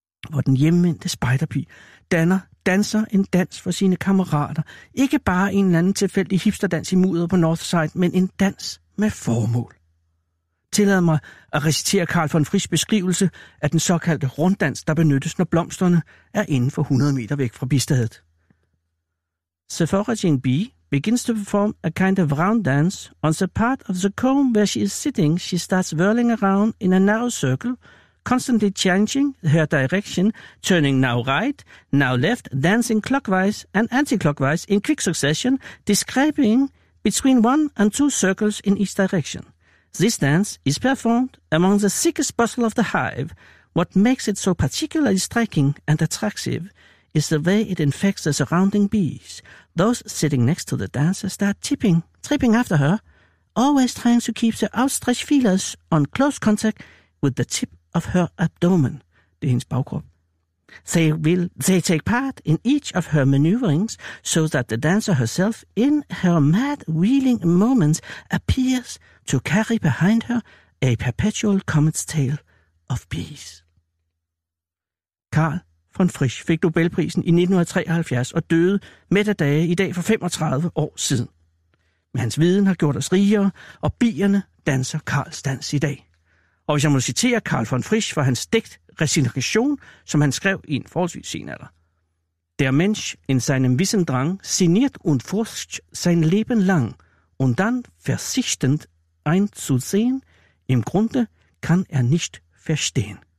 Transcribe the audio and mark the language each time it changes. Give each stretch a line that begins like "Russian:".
Danish: Hvor den hjemvendte spejderpi danser en dans for sine kammerater. Ikke bare en eller anden tilfældig hipsterdans i mudder på Northside, men en dans med formål. Tillad mig at recitere Carl von Frisch beskrivelse af den såkaldte runddans, der benyttes, når blomsterne er inden for 100 meter væk fra bistadet.
English: The foraging bee begins to perform a kind of round dance on the part of the comb where she is sitting. She starts whirling around in a narrow circle, constantly changing her direction, turning now right, now left, dancing clockwise and anti-clockwise in quick succession, describing between one and two circles in each direction. This dance is performed among the thickest bustle of the hive. What makes it so particularly striking and attractive is the way it infects the surrounding bees. Those sitting next to the dancer start tripping after her, always trying to keep their outstretched feelers on close contact with the tip of her abdomen.
Danish: Det er hendes bagkrop.
English: They take part in each of her maneuverings so that the dancer herself, in her mad wheeling moments, appears to carry behind her a perpetual comet's tail of bees.
Danish: Carl von Frisch fik Nobelprisen i 1973 og døde midt af dage i dag for 35 år siden. Men hans viden har gjort os rigere, og bierne danser Carls dans i dag. Og hvis jeg må citere Carl von Frisch fra hans digt Resignation, som han skrev i en forholdsvis sen alder.
German: Der Mensch in seinem Wissen drang, sinniert und forscht sein Leben lang, und dann versichtend einzusehen, im Grunde kann er nicht verstehen.